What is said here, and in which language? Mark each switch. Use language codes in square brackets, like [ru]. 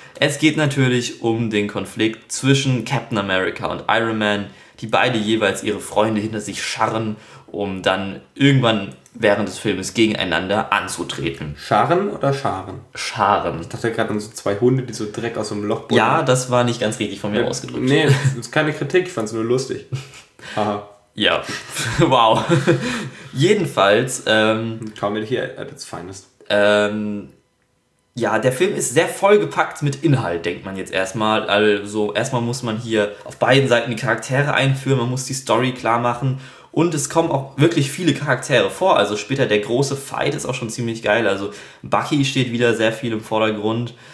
[de] Es geht natürlich um den Konflikt zwischen Captain America und Iron Man, die beide jeweils ihre Freunde hinter sich scharren, um dann irgendwann während des Filmes gegeneinander anzutreten. Scharren oder Scharen? Scharen. Ich dachte gerade an so zwei Hunde, die so Dreck aus dem Loch buddeln. Ja, das war nicht ganz richtig von mir ausgedrückt. Nee, das ist keine Kritik, ich fand es nur lustig. Haha. Ja, wow. Jedenfalls. [en] Comedy here at its finest. [de] Ja, der Film ist sehr vollgepackt mit Inhalt, denkt man jetzt erstmal. Also erstmal muss man hier auf beiden Seiten die Charaktere einführen, man muss die Story klar machen und es kommen auch wirklich viele Charaktere vor. Also später der große Fight ist auch schon ziemlich geil. Also Bucky steht wieder sehr viel im Vordergrund.